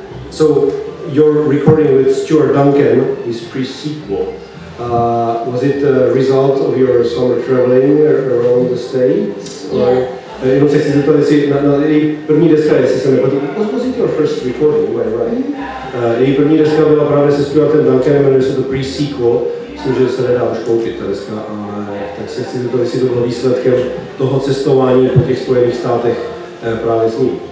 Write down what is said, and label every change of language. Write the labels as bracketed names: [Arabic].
[English] So your recording with Stuart Duncan is pre-sequel. Was it a result of your summer traveling around the States? Yeah. [Czech] Jenom se chci zeptat, jestli její první deska, jestli se nepadl. [English] Was it your first recording, am I right? [Czech] Její první deska byla právě se Stuartem Duncanem, jmenuje se to pre-sequel. Myslím, že se nedá už koupit ta deska. Tak se chci zeptat, jestli to bylo výsledkem toho cestování po těch Spojených státech právě s ní.